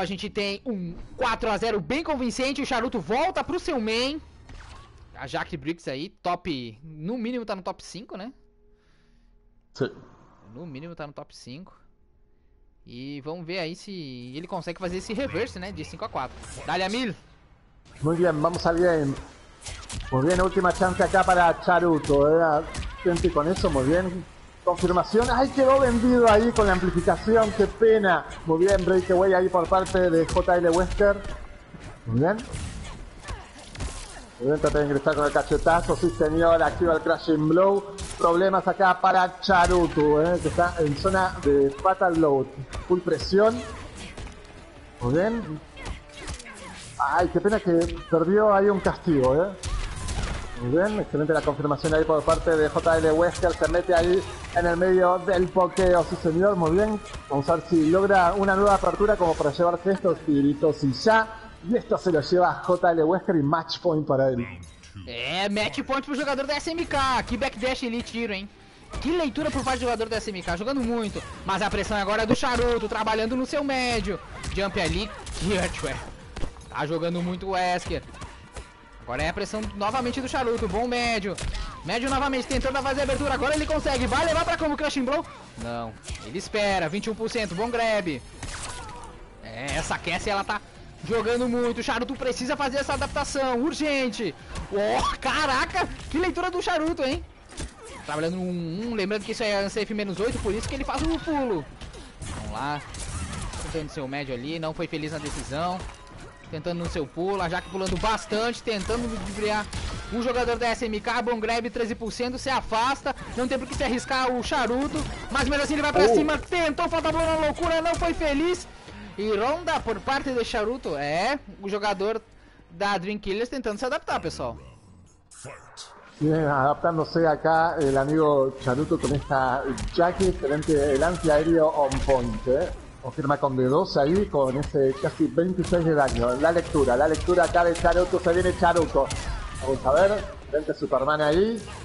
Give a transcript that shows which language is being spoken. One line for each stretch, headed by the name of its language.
Portuguese: A gente tem um 4-0 bem convincente. O Charuto volta pro seu main. A Jack Briggs aí, top. No mínimo tá no top 5, né? No mínimo tá no top 5. E vamos ver aí se ele consegue fazer esse reverse, né? De 5-4. Dá-lhe a mil.
Spanish: Muy bien, vamos al game. Muy bien, última chance acá para Charuto, gente con eso, muy bien. Confirmación, ay, quedó vendido ahí con la amplificación, qué pena. Muy bien, breakaway ahí por parte de JL Wesker. Muy bien. Voy a intentar ingresar con el cachetazo, sí señor, activa el Crashing Blow. Problemas acá para Charuto, que está en zona de Fatal Load. Full presión. Muy bien. Ay, qué pena que perdió ahí un castigo, ¿eh? Muy bien, excelente la confirmación ahí por parte de JL Wesker. Se mete ahí en el medio del pokeo, sí señor, muy bien. Vamos a ver si logra una nueva apertura como para llevarse estos tiritos y ya. Y esto se lo lleva JL Wesker y match point para él.
Portuguese: Match point pro jogador da SMK. Que backdash ele tira, hein? Que leitura por parte do jogador da SMK. Jogando muito. Mas a pressão agora é do Charuto, trabalhando no seu médio. Jump ali. Que Tá jogando muito o Wesker. Agora é a pressão novamente do Charuto. Bom médio. Médio novamente, tentando fazer a abertura. Agora ele consegue. Vai levar pra combo Crushing Blow? Não. Ele espera. 21%. Bom grab. É, essa Cassie, ela tá jogando muito. O Charuto precisa fazer essa adaptação. Urgente. Oh, caraca. Que leitura do Charuto, hein? Trabalhando no 1. Lembrando que isso é unsafe menos 8. Por isso que ele faz o pulo. Vamos lá. Tentando seu médio ali. Não foi feliz na decisão. Tentando no seu pulo, a Jaque pulando bastante, tentando driblar o jogador da SMK. Bom grab, 13%, se afasta, não tem por que se arriscar o Charuto, mas mesmo assim ele vai pra cima, tentou, falta a bola na loucura, não foi feliz. E ronda por parte do Charuto, é, o jogador da Dream Killers tentando se adaptar, pessoal.
Spanish: Bien, adaptándose acá el amigo Charuto con esta Jaque frente al antiaéreo on point, eh. Confirma con D2 ahí, con ese casi 26 de daño. La lectura acá de Charuto, se viene Charuto. Vamos a ver, frente Superman ahí.